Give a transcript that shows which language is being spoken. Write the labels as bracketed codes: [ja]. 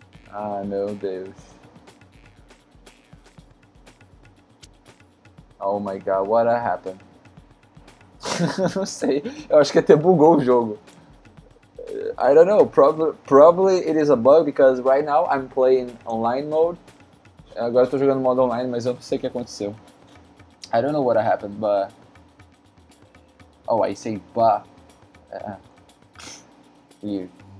[pt] Ai, meu Deus. [en] Oh my God, what happened? [pt] Não sei, eu acho que até bugou o jogo. [en] I don't know, probably it is a bug, because right now I'm playing online mode. [pt] Agora eu tô jogando modo online, mas eu não sei o que aconteceu. [en] I don't know what happened, but... Oh, I say bah. Weird.